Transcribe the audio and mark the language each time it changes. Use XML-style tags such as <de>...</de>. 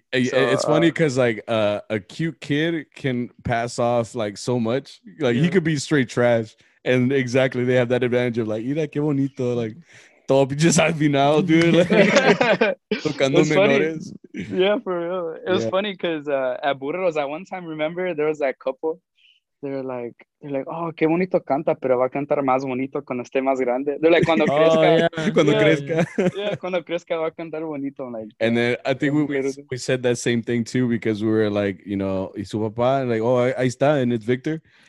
<en>It's funny because like a cute kid can pass off like so much. Like he could be straight trash. And exactly, they have that advantage of like,</en> <es>mira, qué bonito,</es> <en>like,</en> <es>todo pinche final,</es> <en>dude. Like,</en> <es>tocando menores.</es> <en>Yeah, for real. It was funny because at Burros, at one time, remember, there was that couple. They're like, oh,</en> <es>qué bonito canta, pero va a cantar más bonito cuando esté más grande.</es> <en>They're like,</en> <es>cuando crezca. Cuando crezca. Cuando crezca va a cantar bonito. Like,</es> <en>and then I think we said that same thing too, because we were like, you know,</en> <es>y su papá,</es> <en>like, oh,</en> <es>ahí está,</es> <en>and it's Victor.</en>